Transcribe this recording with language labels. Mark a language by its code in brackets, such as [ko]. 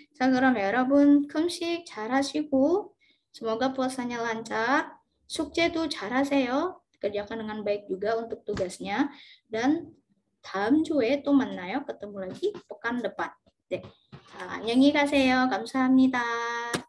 [ko] 자, 그럼 여러분 금식 잘 하시고 [id] semoga puasanya lancar. [ko] 숙제도 잘 하세요. [id] Kerjakan dengan baik juga untuk tugasnya. Dan [ko] 다음 주에 또 만나요. [id] Ketemu lagi pekan depan. [ko] 네, 자, 안녕히 가세요. 감사합니다.